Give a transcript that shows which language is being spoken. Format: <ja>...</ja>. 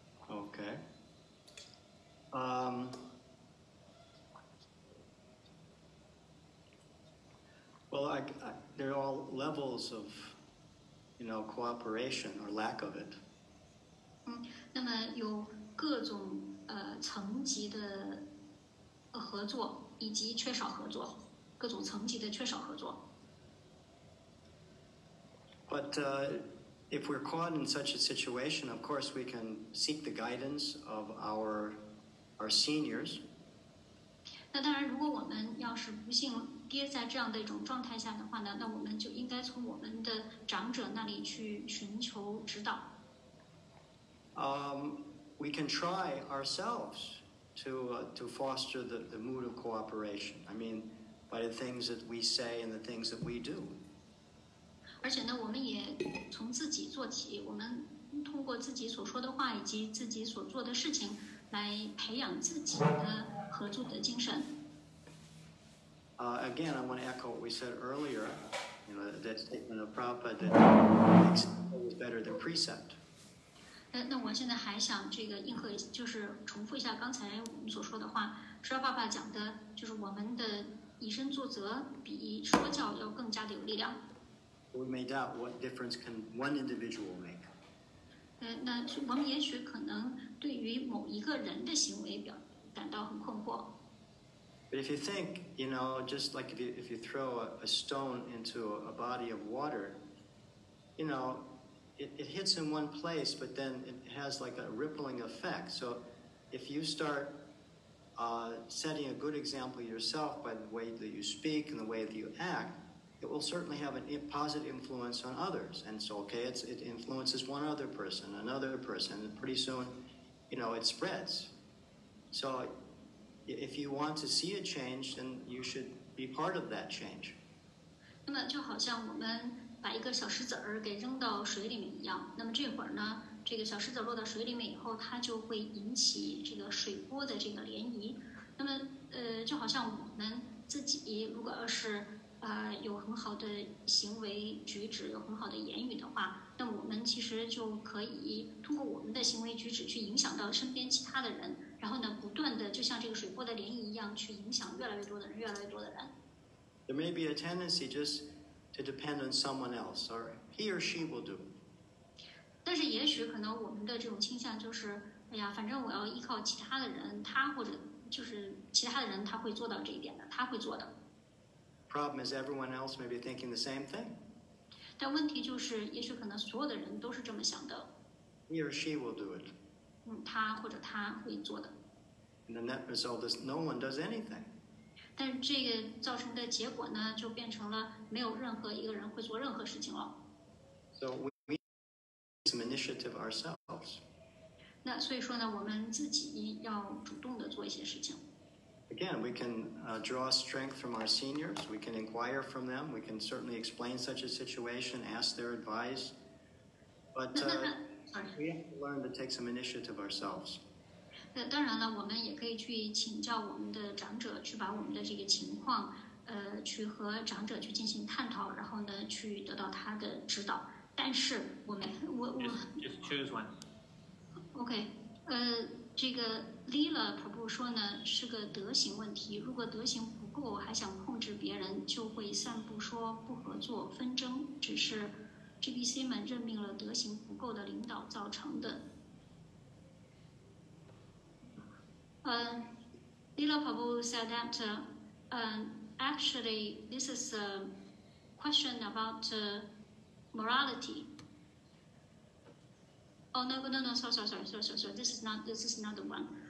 <en>Okay. Well, there are all levels of, you know, cooperation or lack of it.</en> <zh>那么有各种层级的合作以及缺少合作，各种各种层级的缺少合作。</zh> <en>But if we're caught in such a situation, of course we can seek the guidance of our seniors.</en> <zh>那当然，如果我们要是不幸跌在这样的一种状态下的话呢，那我们就应该从我们的长者那里去寻求指导。</zh> <en>We can try ourselves to foster the mood of cooperation. I mean, by the things that we say and the things that we do.</en> <zh>而且呢，我们也从自己做起，我们通过自己所说的话以及自己所做的事情来培养自己的合作的精神。</zh> <en>Again, I want to echo what we said earlier, you know, that statement of Prabhupada that example is better than precept.</en> <zh>那我现在还想这个应和，就是重复一下刚才我们所说的话。释迦牟尼佛讲的就是我们的以身作则比说教要更加的有力量。</zh> <en>We may doubt what difference can one individual make.</en> <zh>那我们也许可能对于某一个人的行为表感到很困惑。</zh> <en>But if you think, you know, just like if you throw a stone into a body of water, you know, it hits in one place, but then it has like a rippling effect. So if you start setting a good example yourself by the way that you speak and the way that you act, it will certainly have a positive influence on others. And so, okay, it influences one other person, another person, and pretty soon, you know, it spreads. So if you want to see a change, then you should be part of that change.</en> <zh>那么就好像我们把一个小石子儿给扔到水里面一样，那么这会儿呢，这个小石子落到水里面以后，它就会引起这个水波的这个涟漪。那么就好像我们自己如果要是有很好的行为举止，有很好的言语的话，那我们其实就可以通过我们的行为举止去影响到身边其他的人，然后呢，不断的就像这个水波的涟漪一样，去影响越来越多的人，越来越多的人。</zh> <en>There may be a tendency just to depend on someone else, or he or she will do.</en> <zh>但是也许可能我们的这种倾向就是，哎呀，反正我要依靠其他的人，他或者就是其他的人他会做到这一点的，他会做的。</zh> <en>Problem is everyone else may be thinking the same thing.</en> <zh>但问题就是，也许可能所有的人都是这么想的。</zh> <en>He or she will do it.</en> <zh>他或者他会做的。</zh> <en>And the net result is no one does anything.</en> <zh>但这个造成的结果呢，就变成了没有任何一个人会做任何事情了。</zh> <en>So we need some initiative ourselves.</en> <zh>那所以说呢，我们自己要主动的做一些事情。</zh> <en>Again, we can draw strength from our seniors. We can inquire from them. We can certainly explain such a situation, ask their advice. But we have to learn to take some initiative ourselves.</en> <zh>当然了，我们也可以去请教我们的长者，去把我们的这个情况，去和长者去进行探讨，然后呢，去得到他的指导。但是我们</zh> <en>just choose one.</en> <zh>Okay. 这个 Lila 婆婆说呢，是个德行问题。如果德行不够，还想控制别人，就会散布说不合作、纷争，只是 GBC 们任命了德行不够的领导造成的。</zh> <en>Lila 婆婆 said that, actually, this is a question about morality. Oh, no, sorry, this is not the one.</en>